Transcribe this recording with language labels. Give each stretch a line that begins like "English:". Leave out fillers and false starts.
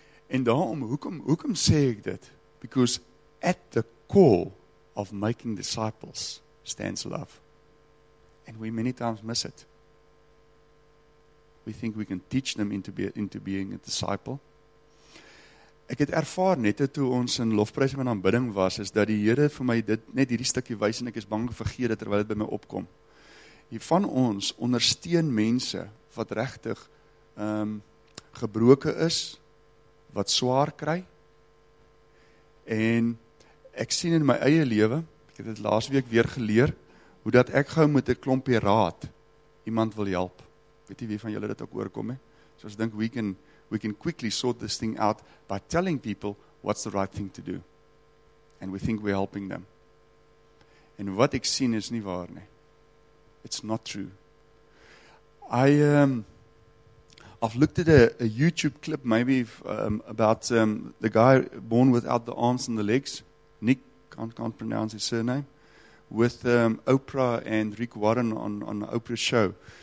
Afrikaans: En daarom, hoekom sê ek dit?
English: Because at the core of making disciples, stands love. And we many times miss it. We think we can teach them into being a disciple.
Afrikaans: Ek het ervaar net toe ons in lofprys en aanbidding was, is dat die Here vir my dit net hierdie stukkie wys en ek is bang vergeet dit terwyl dit by my opkom. Hier van ons ondersteun mense wat regtig gebroken is, wat swaar kry. En ek sien in my eie lewe, ek het dit laas week weer geleer, hoe dat ek gou met 'n klompie raad iemand wil help. Weet jy wie van julle dit ook oorkom, he? So as ek dink,
English: we can quickly sort this thing out by telling people what's the right thing to do. And we think we're helping them.
Afrikaans: En wat ek sien is nie waar, nie.
English: It's not true. I've looked at a YouTube clip, maybe, about the guy born without the arms and the legs. Nick, can't pronounce his surname. With Oprah and Rick Warren on Oprah's show.